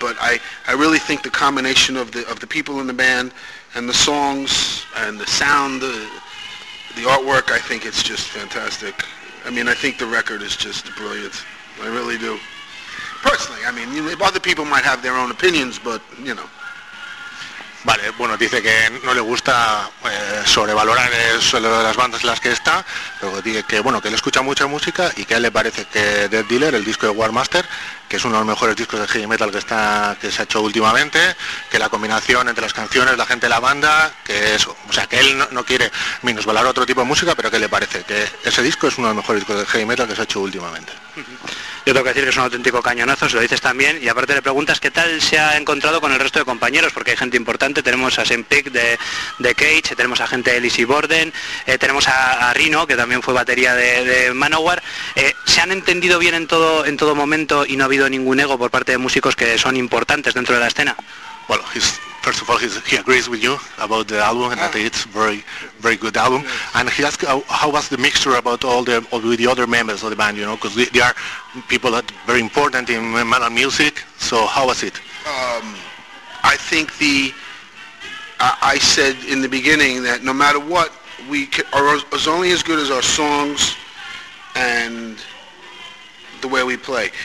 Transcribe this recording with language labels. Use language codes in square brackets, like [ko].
[en] But I really think the combination of the people in the band and the songs and the sound, the artwork, I think it's just fantastic. I mean, I think the record is just brilliant. I really do. Personally, I mean, you know, other people might have their own opinions, but, you know. [es] Vale, bueno, dice que no le gusta sobrevalorar las bandas en las que está, pero dice que, bueno, que él escucha mucha música y que a él le parece que Death Dealer, el disco de War Master, que es uno de los mejores discos de heavy metal que se ha hecho últimamente, que la combinación entre las canciones, la gente de la banda, que eso, o sea, que él no quiere minusvalorar otro tipo de música, pero que le parece que ese disco es uno de los mejores discos de heavy metal que se ha hecho últimamente. Yo tengo que decir que es un auténtico cañonazo, se lo dices también, y aparte le preguntas qué tal se ha encontrado con el resto de compañeros, porque hay gente importante, tenemos a Sam Peake de Cage, tenemos a gente de Lizzie Borden, tenemos a Rino, que también fue batería de Manowar. ¿Se han entendido bien en todo momento y no ha habido ningún ego por parte de músicos que son importantes dentro de la escena? [en] Well, first of all, he agrees with you about the album and that it's very, very good album. Yes. And he asked how was the mixture about with the other members of the band, you know, because they are people that are very important in metal music. So how was it? I think I said in the beginning that no matter what, we are only as good as our songs and the way we play.